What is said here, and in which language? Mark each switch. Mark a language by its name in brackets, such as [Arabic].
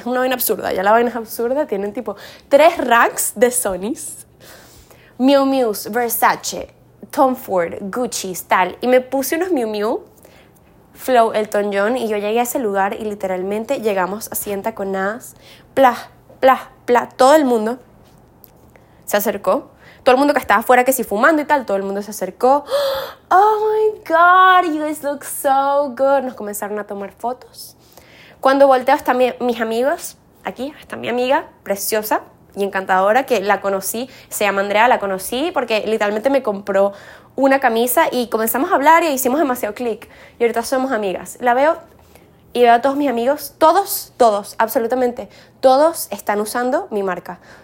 [Spanish] Es una vaina absurda, ya la vaina es absurda. Tienen tipo 3 racks de Sonys: Miu Miu's, Versace, Tom Ford, Gucci, tal. Y me puse unos Miu Miu Flow Elton John y yo llegué a ese lugar y literalmente llegamos a sienta con Nas. Pla, pla, pla, todo el mundo se acercó. Todo el mundo que estaba afuera, que si fumando y tal, todo el mundo se acercó. [English] Oh my God, you guys look so good. [Spanish] Nos comenzaron a tomar fotos. Cuando volteo, están mis amigos. Aquí está mi amiga preciosa y encantadora, que la conocí, se llama Andrea, la conocí porque literalmente me compró una camisa y comenzamos a hablar y hicimos demasiado click. Y ahorita somos amigas. La veo y veo a todos mis amigos, todos, absolutamente, todos están usando mi marca.